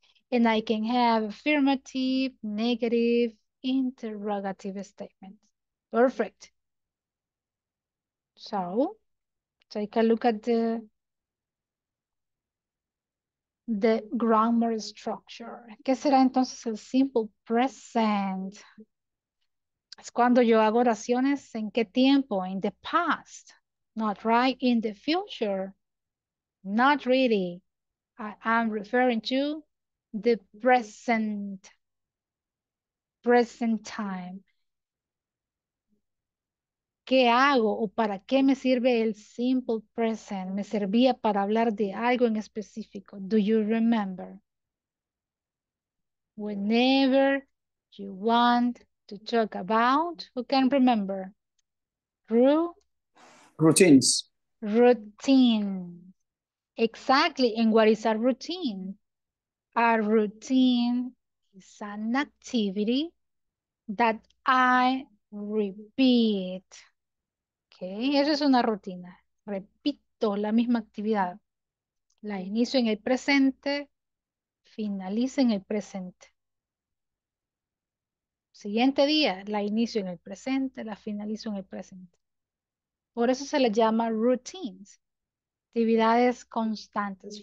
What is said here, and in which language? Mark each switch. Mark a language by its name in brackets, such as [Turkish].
[English] And I can have affirmative, negative, interrogative statement. Perfect. So, take a look at the grammar structure. [Spanish] ¿Qué será entonces el simple present? Es cuando yo hago oraciones, ¿en qué tiempo? [English] In the past. Not right, in the future. Not really. I am referring to the present time. [Spanish] ¿Qué hago o para qué me sirve el simple present? Me servía para hablar de algo en específico. [English] Do you remember? Whenever you want to talk about, who can remember? Routines. Routine. Exactly. And what is a routine? A routine is an activity that I repeat. [Spanish] Okay, eso es una rutina. Repito la misma actividad. La inicio en el presente, finalizo en el presente. Siguiente día, la inicio en el presente, la finalizo en el presente. Por eso se le llama routines. Actividades constantes.